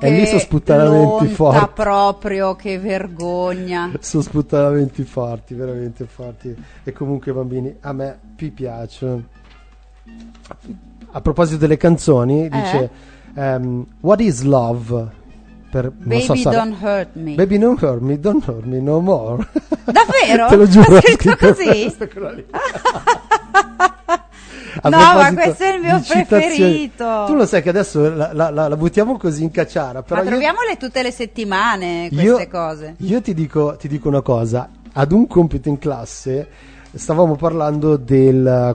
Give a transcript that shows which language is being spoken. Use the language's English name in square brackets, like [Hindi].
[Italian] e lì sono sputtanamenti forti. Ma proprio, che vergogna. Sono sputtanamenti forti, veramente forti. E comunque, bambini, a me vi piace. A proposito delle canzoni, dice: [English] what is love? Baby, don't hurt me. Baby, don't hurt me, no more. [Italian] Davvero? Te lo giuro. Ha scritto così? No, ma questo è il mio preferito. Tu lo sai che adesso la buttiamo così in cacciara. Però ma troviamole tutte le settimane queste cose. Io ti dico una cosa. Ad un compito in classe stavamo parlando del...